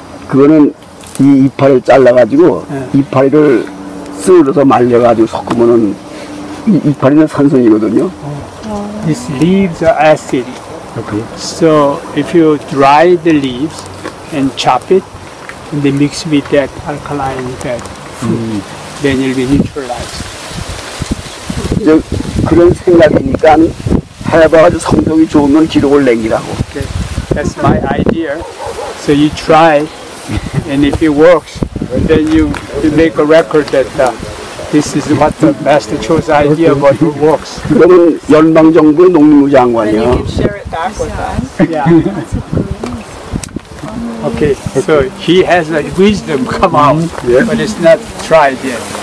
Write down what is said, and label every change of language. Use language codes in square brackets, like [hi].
[ko] 그거는 이 이파리를 잘라가지고 이파리를 썰어서 말려가지고 섞으면은 이 이파리는 산성이거든요. [en] These leaves are acid. Okay. So if you dry the leaves and chop it, and they mix with that alkaline that food, then it'll be neutralized. [ko] 이제 그런 생각이니까 해봐가지고 성적이 좋으면 기록을 남기라고. [en] Okay. That's my idea. So you try. And if it works, then you make a record that this is what the master chose idea, but it works. [ko] 그거는 연방정부 농림부 장관이요. [en] And you can share it back with us. Yeah. Okay, so he has a wisdom come out, but it's not tried yet.